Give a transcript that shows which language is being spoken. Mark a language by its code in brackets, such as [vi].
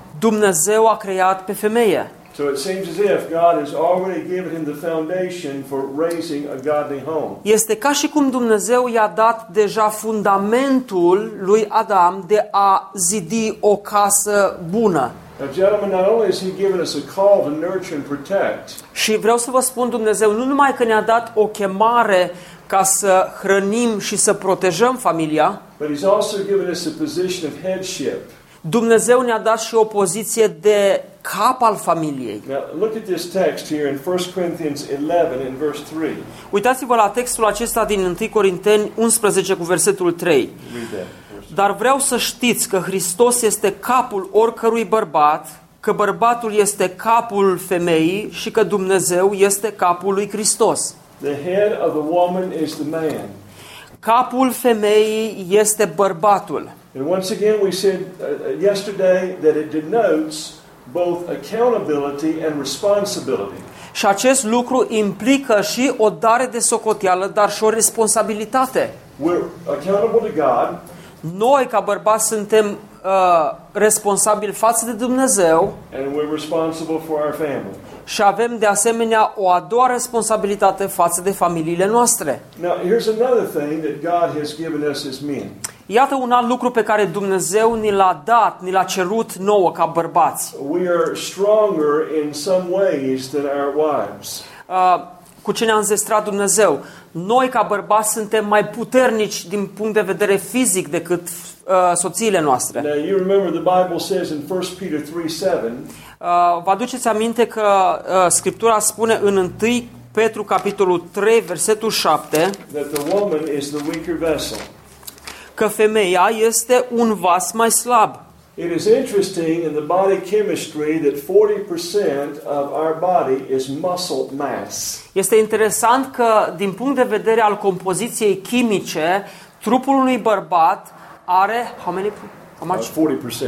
[ro] Dumnezeu a creat pe femeie. [en] So it seems as if God has already given him the foundation for raising a godly home. [ro] Este ca și cum Dumnezeu i-a dat deja fundamentul lui Adam de a zidi o casă bună. [en] Now, gentlemen, not only has he given us a call to nurture and protect. [ro] Și vreau să vă spun, Dumnezeu nu numai că ne-a dat o chemare ca să hrănim și să protejăm familia, [en] but he's also given us a position of headship. [ro] Dumnezeu ne-a dat și o poziție de cap al familiei. [en] Now, look at this text here in 1 Corinthians 11 in verse 3. [ro] Uitați-vă la textul acesta din 1 Corinteni 11 cu versetul 3. Dar vreau să știți că Hristos este capul oricărui bărbat, că bărbatul este capul femeii și că Dumnezeu este capul lui Hristos. [en] The head of the woman is the man. [ro] Capul femeii este bărbatul. [en] And once again we said yesterday that it denotes both accountability and responsibility. [ro] Și acest lucru implică și o dare de socoteală, dar și o responsabilitate. [en] We're accountable to God. [ro] Noi, ca bărbați, suntem responsabili față de Dumnezeu. [en] And we're responsible for our family. [ro] Și avem, de asemenea, o a doua responsabilitate față de familiile noastre. [en] Now, here's another thing that God has given us as men. [ro] Iată un alt lucru pe care Dumnezeu ni l-a dat, ni l-a cerut nouă ca bărbați. [en] We are stronger in some ways than our wives. [ro] Cu ce ne-a înzestrat Dumnezeu? Noi ca bărbați suntem mai puternici din punct de vedere fizic decât soțiile noastre. [en] Now, you remember the Bible says in 1 Peter 3:7. [ro] Vă aduceți aminte că Scriptura spune în 1 Petru capitolul 3 versetul 7 [en] that the woman is the weaker vessel. [ro] Că femeia este un vas mai slab. [en] It is interesting in the body chemistry that 40% of our body is muscle mass. [ro] Este interesant că din punct de vedere al compoziției chimice, trupul unui bărbat are [en] how many, how much?